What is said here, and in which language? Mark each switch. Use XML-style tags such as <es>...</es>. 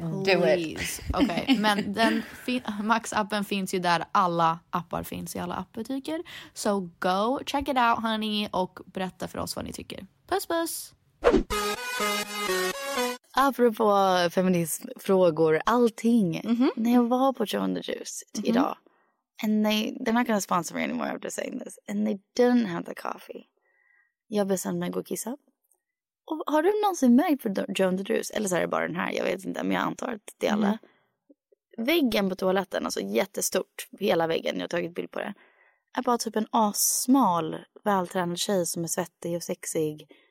<en>Do it. Okay.</en> <sv>Men den Max-appen finns ju där alla appar finns, i alla appbutiker.</sv> <en>So go check it out honey</en> <sv>och berätta för oss vad ni tycker. Puss puss! Apropå feminismfrågor, allting. Mm-hmm. När jag var på John the Juice mm-hmm. idag,</sv> <en>and they're not gonna sponsor me anymore after saying this, and they didn't have the coffee.</en> <sv>Jag bestämde mig att gå och kissa. Och har du någonsin märkt på John the Juice? Eller så är det bara den här, jag vet inte, men jag antar att det är alla. Mm. Väggen på toaletten, alltså jättestort, hela väggen, jag har tagit bild på det, är bara typ en assmal, vältränad tjej som är svettig och sexig.</sv>